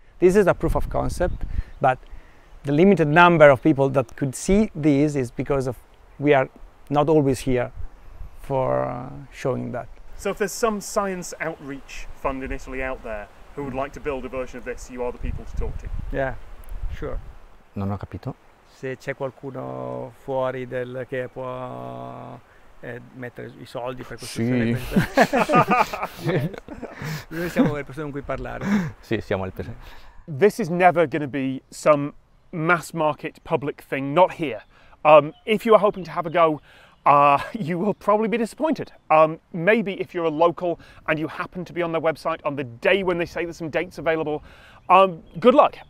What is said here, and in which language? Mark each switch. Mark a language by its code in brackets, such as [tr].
[en] This is a proof of concept, but the limited number of people that could see this is because of we are not always here for showing that. So if there's some science outreach fund in Italy out there who would like to build a version of this, you are the people to talk to. Yeah, sure. [it] Non ho capito. Se c'è qualcuno fuori del che può mettere i soldi per costruire. Sì. Noi siamo le persone con cui parlare. Sì, siamo le persone. [en] This is never going to be some mass market public thing, not here. If you are hoping to have a go, You will probably be disappointed. Maybe if you're a local and you happen to be on their website on the day when they say there's some dates available, good luck.